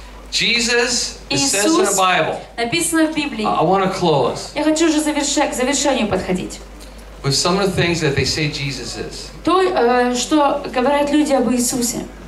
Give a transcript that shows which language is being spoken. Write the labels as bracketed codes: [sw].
[en] Jesus, it says in the Bible. [ru] Написано в Библии. [en] I want to close. [ru] Я хочу уже завершать, к завершению подходить. [en] With some of the things that they say Jesus is. [ru] То, что говорят люди об Иисусе.